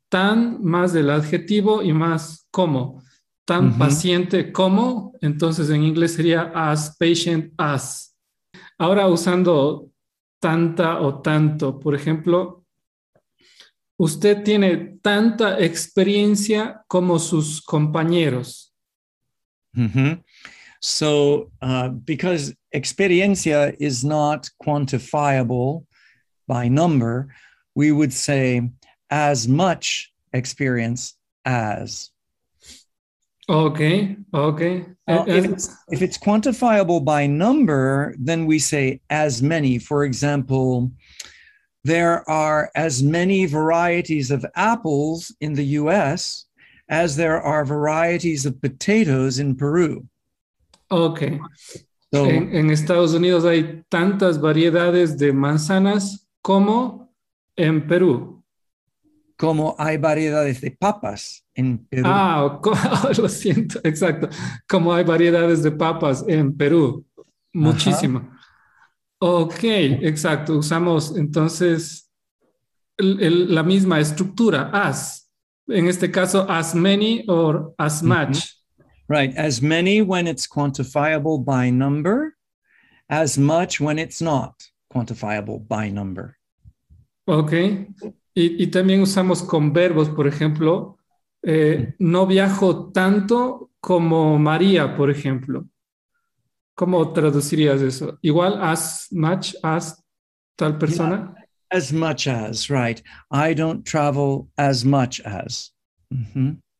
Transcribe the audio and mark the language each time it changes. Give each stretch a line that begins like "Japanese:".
Spanish: Tan más del adjetivo y más como. Tan paciente como, entonces en inglés sería
English: as patient as.
Spanish: Ahora usando tanta o tanto, por ejemplo, usted tiene tanta experiencia como sus compañeros. Mm-hmm.
English: So, because experiencia is not quantifiable by number, we would say as much experience as. Okay, okay. If it's quantifiable by number, then we say as many. For example, there are as many varieties of apples in the U.S. as there are varieties of potatoes in Peru. Okay.
Spanish: So, en Estados Unidos hay tantas variedades de manzanas como en Perú. Como hay variedades de papas en Perú. Ah, lo siento, exacto. Como hay variedades de papas en Perú. Muchísimo. Uh-huh. Ok, exacto. Usamos entonces la misma estructura, as. En este caso,
English: as many or as much. Mm-hmm. Right, as many when it's quantifiable by number, as much when it's not quantifiable by number. Ok.
Spanish: Y también usamos con verbos, por ejemplo, no viajo tanto como María, por ejemplo. ¿Cómo traducirías eso? Igual
English: as much as
Spanish: tal persona.
English: Yeah, as much as, right. I don't travel as much as. Mm-hmm.